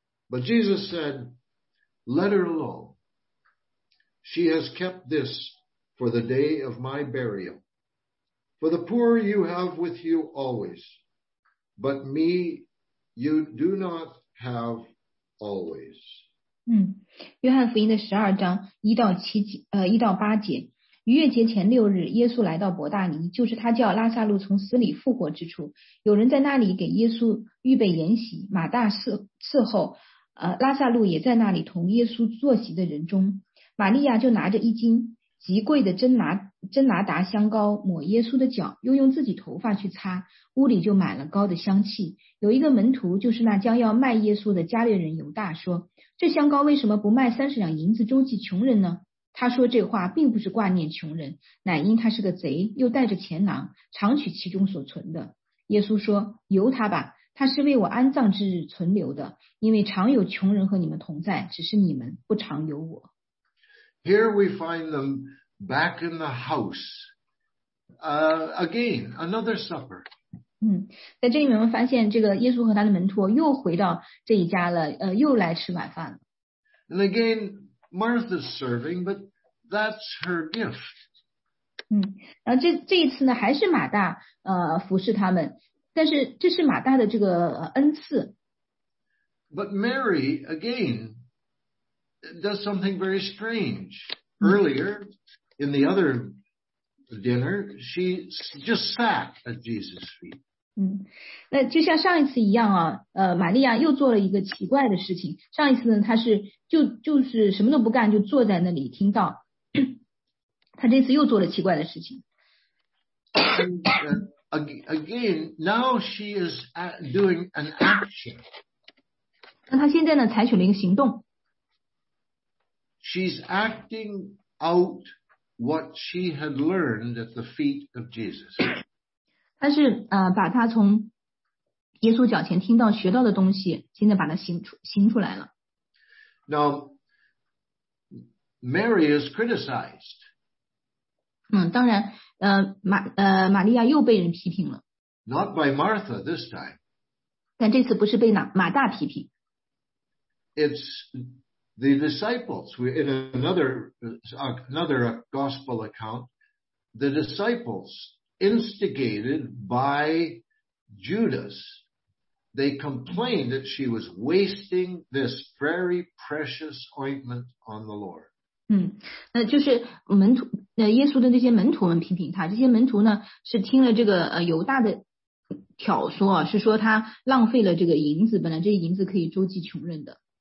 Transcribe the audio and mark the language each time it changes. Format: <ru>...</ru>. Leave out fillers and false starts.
<en>But Jesus said, "Let her alone. She has kept this for the day of my burial. For the poor you have with you always, but me you do not have always."</en> <zh>约翰福音的12章1到7节，1到8节。逾越节前六日，耶稣来到伯大尼，就是他叫拉萨路从死里复活之处。有人在那里给耶稣预备筵席，马大伺候，拉萨路也在那里同耶稣坐席的人中。玛利亚就拿着一斤极贵的真拿达香膏抹耶稣的脚，又用自己头发去擦，屋里就满了膏的香气。有一个门徒，就是那将要卖耶稣的加略人犹大，说：“这香膏为什么不卖30两银子周济穷人呢？” 他说这话并不是挂念穷人，乃因他是个贼，又带着钱囊，常取其中所存的。耶稣说：“由他吧，他是为我安葬之日存留的，因为常有穷人和你们同在，只是你们不常有我。”</zh> <en>Here we find them back in the house. Again, another supper.</en> <zh>在这里我们发现这个耶稣和他的门徒又回到这一家了，又来吃晚饭了。</zh> <en>And again,Martha's serving, but that's her gift.</en> <zh>这一次呢，还是马大服侍他们，但是这是马大的这个恩赐。</zh> <en>But Mary again does something very strange. Earlier in the other dinner, she just sat at Jesus' feet.</en> <zh>那就像上一次一样啊，玛利亚又做了一个奇怪的事情。上一次呢，她是就是什么都不干，就坐在那里听到。她这次又做了奇怪的事情。</zh> <en>Again, now she is doing an action.</en> <zh>那她现在呢，采取了一个行动。</zh> <en>She's acting out what she had learned at the feet of Jesus.</en> <zh>她是把她从耶稣脚前听到学到的东西，现在把它行出来了。</zh> <en>Now, Mary is criticized.</en> <zh>当然，玛利亚又被人批评了。</zh> <en>Not by Martha this time.</en> <zh>但这次不是被马大批评。</zh> <en>It's the disciples. In another gospel account, the disciples instigated by Judas. They complained that she was wasting this very precious ointment on the Lord.</en> <zh>就是门徒，耶稣的那些门徒们批评他，这些门徒呢是听了这个犹大的挑唆啊，是说他浪费了这个银子，本来这些银子可以周济穷人的。</zh>